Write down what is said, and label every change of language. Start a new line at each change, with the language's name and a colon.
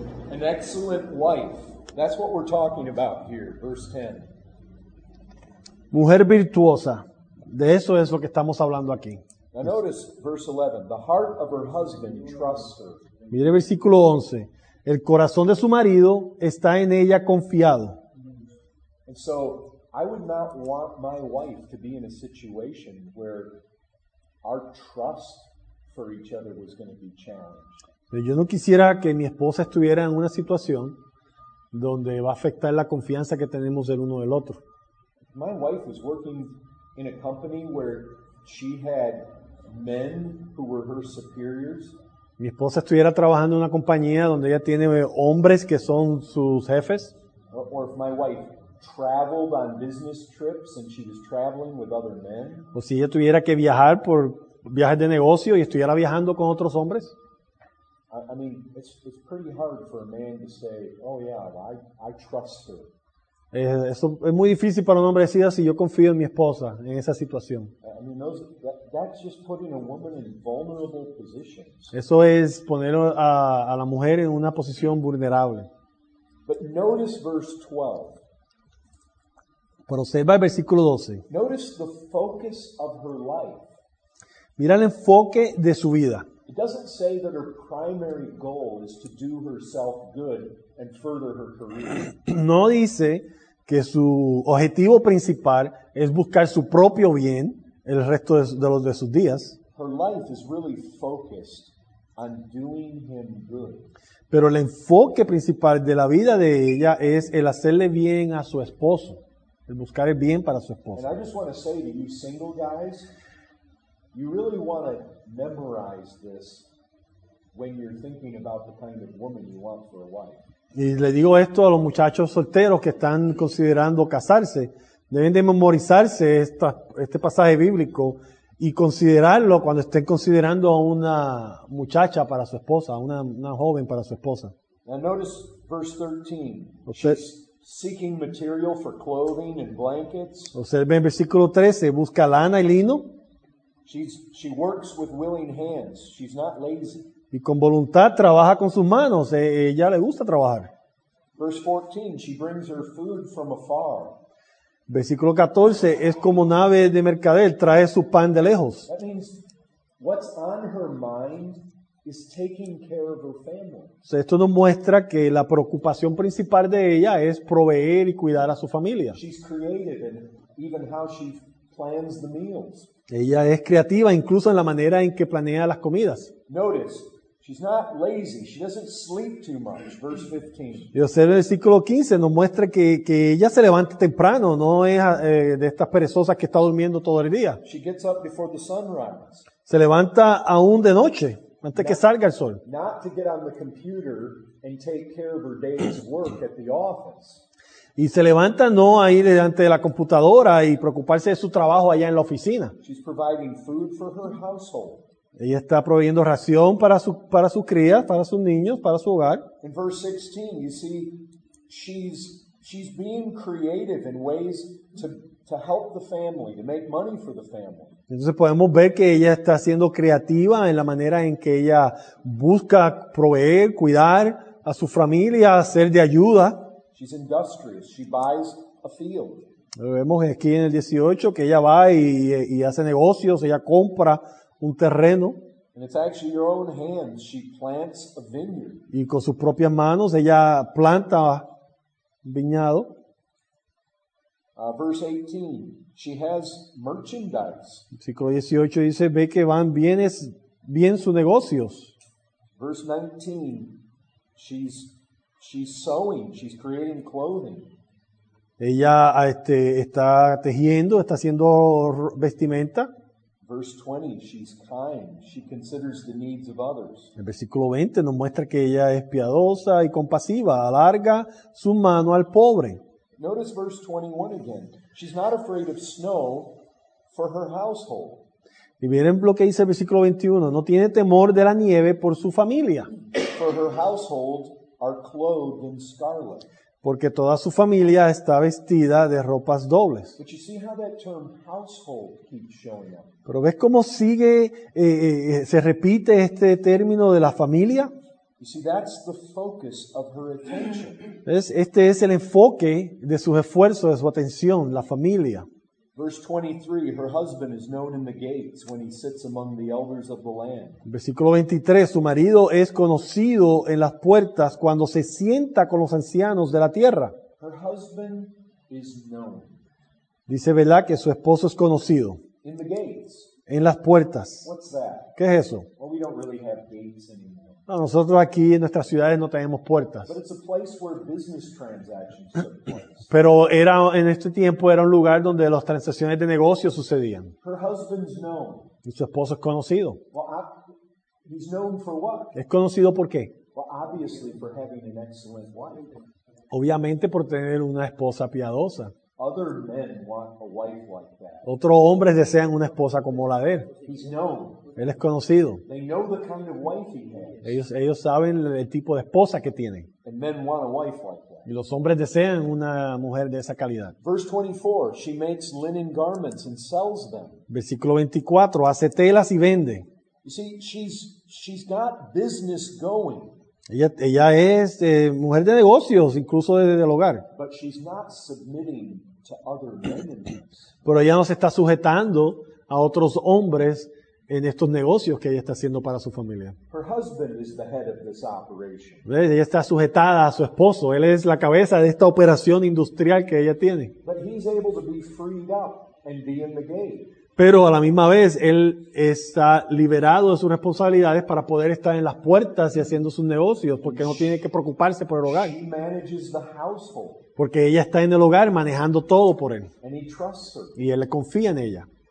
English: An excellent wife. That's what we're talking about here, verse 10.
Spanish: Mujer virtuosa. De eso es lo que estamos hablando aquí.
English: Now notice verse 11. The heart of her husband trusts her.
Spanish: Mire el versículo 11. El corazón de su marido está en ella confiado.
English: And so I would not want my wife to be in a situation where our trust for each other was going to be challenged.
Spanish: Pero yo no quisiera que mi esposa estuviera en una situación donde va a afectar la confianza que tenemos del uno del otro.
English: My wife was working in a company where she had men who were her superiors.
Spanish: Mi esposa estuviera trabajando en una compañía donde ella tiene hombres que son sus jefes.
English: Or if my wife traveled on business trips and she was traveling with other men.
Spanish: O si ella tuviera que viajar por viajes de negocio y estuviera viajando con otros hombres.
English: I mean, it's pretty hard for a man to say, oh yeah, I trust her.
Spanish: Eso es muy difícil para un hombre decir así, yo confío en mi esposa en esa situación.
English: I mean, that's just putting a woman in vulnerable positions.
Spanish: Eso es poner a la mujer en una posición vulnerable.
English: But notice verse 12.
Spanish: Pero observa el versículo 12.
English: Notice the focus of her life.
Spanish: Mira el enfoque de su vida.
English: It doesn't say that her primary goal is to do herself good and further her career.
Spanish: No dice que su objetivo principal es buscar su propio bien el resto de sus días.
English: Her life is really focused on doing him good.
Spanish: Pero el enfoque principal de la vida de ella es el hacerle bien a su esposo, el buscar el bien para su esposo.
English: And I just want to say to you single guys, you really want to memorize this when you're thinking about the kind of woman you want for a wife.
Spanish: Y le digo esto a los muchachos solteros que están considerando casarse. Deben de memorizarse este pasaje bíblico y considerarlo cuando estén considerando a una muchacha para su esposa, una joven para su esposa.
English: Now notice verse 13. She's seeking material for clothing and blankets.
Spanish: Observe en versículo 13, busca lana y lino.
English: She works with willing hands. She's not lazy.
Spanish: Y con voluntad trabaja con sus manos. Ella le gusta trabajar.
English: Verse 14, she brings her food from afar.
Spanish: Versículo 14, es como nave de mercader, trae su pan de lejos.
English: That means what's on her mind is taking care of her family.
Spanish: So esto nos muestra que la preocupación principal de ella es proveer y cuidar a su familia.
English: She's creative in even how she plans the meals.
Spanish: Ella es creativa incluso en la manera en que planea las comidas.
English: Notice, she's not lazy. She doesn't sleep too much. Verse 15.
Spanish: Y observe el versículo 15 nos muestra que ella se levanta temprano, no es de estas perezosas que está durmiendo todo el día.
English: She gets up before the sun rises.
Spanish: Se levanta aún de noche, antes que salga el sol.
English: Not to get on the computer and take care of her day's work at the office.
Spanish: Y se levanta no a ir delante de la computadora y preocuparse de su trabajo allá en la oficina.
English: She's providing food for her household.
Spanish: Ella está proveyendo ración para sus crías, para sus niños, para su hogar.
English: In verse 16, you see, she's being creative in ways to help the family, to make money for the family.
Spanish: Entonces podemos ver que ella está siendo creativa en la manera en que ella busca proveer, cuidar a su familia, ser de ayuda.
English: She's industrious. She buys a field.
Spanish: Vemos aquí en el 18 que ella va y hace negocios, ella compra un terreno.
English: And it's actually your own hands. She plants a vineyard.
Spanish: Y con sus propias manos ella planta un viñado.
English: Verse 18. She has merchandise.
Spanish: Versículo 18 dice, ve que van bienes, bien sus negocios.
English: Verse 19, she's sewing, she's creating clothing.
Spanish: Ella está tejiendo, está haciendo vestimenta.
English: Verse 20, she's kind, she considers the needs of others.
Spanish: El versículo 20 nos muestra que ella es piadosa y compasiva, alarga su mano al pobre.
English: Notice verse 21 again. She's not afraid of snow for her household.
Spanish: Y miren lo que dice el versículo 21. No tiene temor de la nieve por su familia.
English: For her household are clothed in scarlet.
Spanish: Porque toda su familia está vestida de ropas dobles.
English: But you see how that term household keeps showing up.
Spanish: Pero ves cómo sigue, se repite este término de la familia.
English: You see, that's the focus of her attention.
Spanish: Este es el enfoque de sus esfuerzos, de su atención, la familia.
English: Verse 23, her husband is known in the gates when he sits among the elders of the land.
Spanish: Versículo 23, su marido es conocido en las puertas cuando se sienta con los ancianos de la tierra.
English: Her husband is known.
Spanish: Dice, ¿verdad? Que su esposo es conocido.
English: In the gates.
Spanish: En las puertas.
English: What's that?
Spanish: ¿Qué es eso?
English: Well, we don't really have gates anymore.
Spanish: No, nosotros aquí en nuestras ciudades no tenemos puertas.
English: But it's a place where business transactions took place.
Spanish: Pero era, en este tiempo era un lugar donde las transacciones de negocios sucedían.
English: Her husband's known.
Spanish: Y su esposo es conocido.
English: Well, he's known for what?
Spanish: ¿Es conocido por qué?
English: Well, obviously for having an excellent wife.
Spanish: Obviamente por tener una esposa piadosa.
English: Other men want a wife like that.
Spanish: Otros hombres desean una esposa como la de él.
English: He's known.
Spanish: Él es conocido.
English: They know the kind of wife he has.
Spanish: Ellos saben el tipo de esposa que tienen.
English: And men want a wife like that.
Spanish: Y los hombres desean una mujer de esa calidad.
English: Verse 24, she makes linen garments and sells them.
Spanish: Versículo 24, hace telas y vende.
English: You see, she's got business going.
Spanish: Ella es mujer de negocios, incluso desde el hogar.
English: But she's not submitting to other men in this.
Spanish: Pero ella no se está sujetando a otros hombres en estos negocios que ella está haciendo para su familia.
English: Her husband is the head of this operation.
Spanish: Ella está sujetada a su esposo. Él es la cabeza de esta operación industrial que ella tiene.
English: But he's able to be freed up and be in the game.
Spanish: Pero a la misma vez, él está liberado de sus responsabilidades para poder estar en las puertas y haciendo sus negocios, porque no tiene que preocuparse por el hogar.
English: She manages the household.
Spanish: Porque ella está en el hogar manejando todo por él.
English: And he trusts her.
Spanish: Y él le confía en ella.